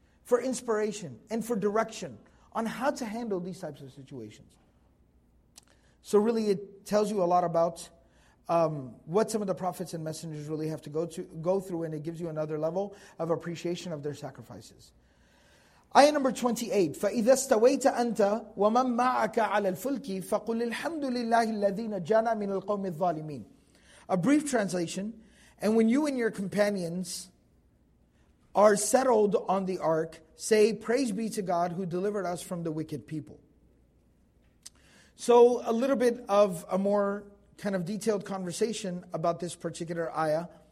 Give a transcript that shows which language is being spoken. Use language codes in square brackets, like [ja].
[en] for inspiration and for direction on how to handle these types of situations. So really it tells you a lot about what some of the prophets and messengers really have to go through, and it gives you another level of appreciation of their sacrifices. Ayah number 28, [ar] فَإِذَا اسْتَوَيْتَ أَنْتَ وَمَنْ مَعَكَ عَلَى الْفُلْكِ فَقُلِ الْحَمْدُ لِلَّهِ الَّذِي نَجَّانَا مِنَ الْقَوْمِ الظَّالِمِينَ. [en] A brief translation, and when you and your companions are settled on the ark, say, praise be to God who delivered us from the wicked people. So a little bit of a more kind of detailed conversation about this particular ayah.